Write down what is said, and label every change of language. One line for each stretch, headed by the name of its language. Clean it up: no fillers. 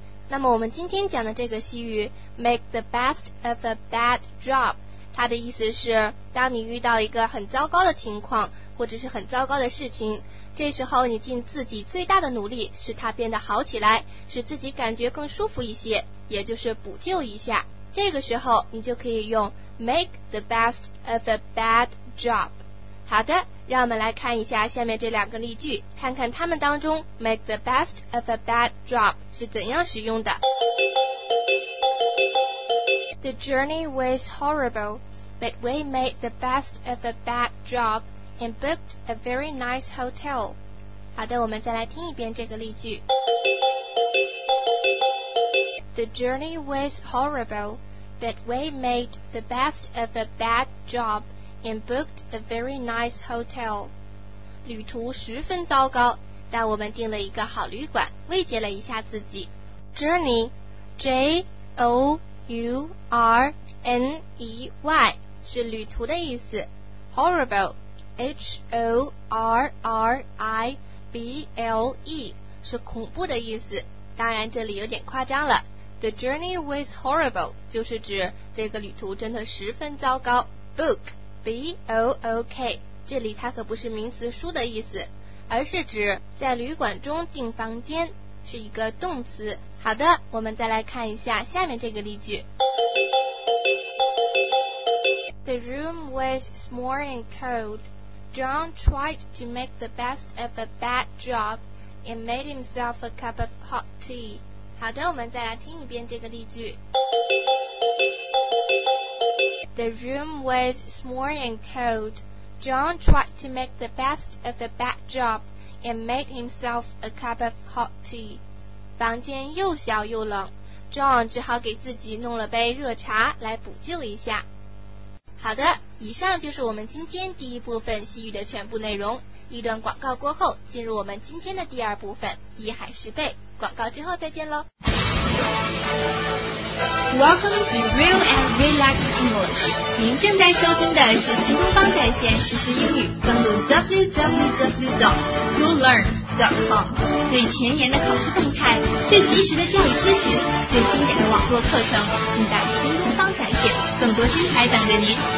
Chinese: 那么我们今天讲的这个习语
English: make the best of a bad job，
Chinese: 它的意思是当你遇到一个很糟糕的情况或者是很糟糕的事情，这时候你尽自己最大的努力使它变得好起来，使自己感觉更舒服一些，也就是补救一下。这个时候你就可以用
English: make the best of a bad job。
Chinese: 好的，让我们来看一下下面这两个例句，看看他们当中
English: make the best of a bad job
Chinese: 是怎样使用的。
English: The journey was horrible, but we made the best of a bad job and booked a very nice hotel.
Chinese: 好的，我们再来听一遍这个例句。
English: The journey was horrible, but we made the best of a bad joband booked a very nice hotel.
Chinese: 旅途十分糟糕，但我们订了一个好旅馆，慰藉了一下自己。
English: Journey, J-O-U-R-N-E-Y,
Chinese: 是旅途的意思。
English: Horrible, H-O-R-R-I-B-L-E,
Chinese: 是恐怖的意思。当然这里有点夸张了。
English: The journey was horrible,
Chinese: 就是指这个旅途真的十分糟糕。
English: Book, B-O-O-K，
Chinese: 这里它可不是名词书的意思，而是指在旅馆中订房间，是一个动词。好的，我们再来看一下下面这个例句。
English: The room was small and cold. John tried to make the best of a bad job and made himself a cup of hot tea.
Chinese: 好的，我们再来听一遍这个例句。
English: The room was small and cold. John tried to make the best of a bad job and made himself a cup of hot tea.
Chinese: 房间又小又冷， John 只好给自己弄了杯热茶来补救一下。好的，以上就是我们今天第一部分习语的全部内容。一段广告过后，进入我们今天的第二部分，一海十倍。广告之后再见喽。
English: Welcome to Real and Relaxed English.
Chinese: 您正在收听的是新东方在线实时英语，登录 www.schoollearn.com。最前沿的考试动态，最及时的教育咨询，最经典的网络课程，尽在新东方在线，更多精彩等着您。